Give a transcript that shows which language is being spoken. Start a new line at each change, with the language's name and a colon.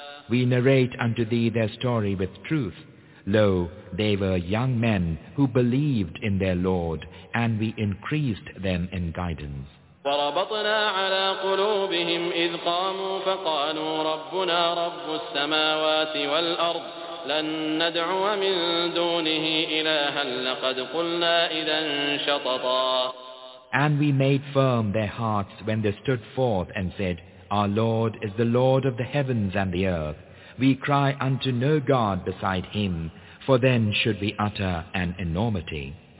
English: We narrate unto thee their story with truth. Lo, they were young men who believed in their Lord, and we increased them in guidance.
Arabic: وربطنا على قلوبهم إذ قاموا فقالوا ربنا رب السماوات والأرض لن ندعو من دونه إلها لقد قلنا إذا شططا.
English: And we made firm their hearts when they stood forth and said, Our Lord is the Lord of the heavens and the earth. We cry unto no God beside him, for then should we utter an enormity.